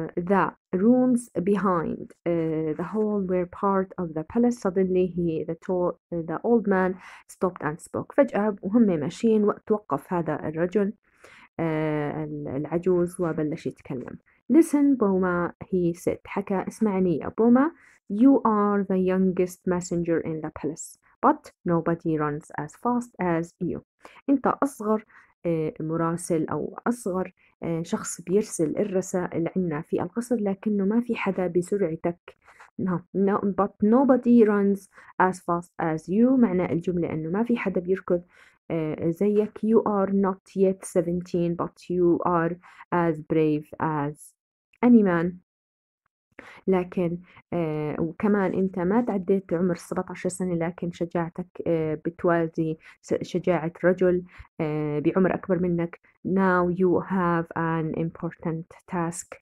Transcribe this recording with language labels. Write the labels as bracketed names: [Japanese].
[English] The rooms behind the hall were part of the palace. Suddenly he the tall the old man stopped and spoke. [Arabic] فجأة وهم ماشيين توقف هذا الرجل العجوز وبلش يتكلم. [English] Listen, Boma, he said. حكى اسمعني يا Boma. You are the youngest messenger in the palace, but nobody runs as fast as you. [Arabic] أنت أصغر مراسل أو أصغر شخص بيرسل الرسائل عنا في القصر، لكنه ما في حدا بسرعتك. [English] No, but nobody runs as fast as you. [Arabic] معنى الجملة أنه ما في حدا بيركض زيك. [English] You are not yet 17, but you are as brave as any man. [Arabic] لكن وكمان أنت ما تعديت عمر 17 سنة، لكن شجاعتك بتوازي شجاعة رجل بعمر أكبر منك. [English] Now you have an important task.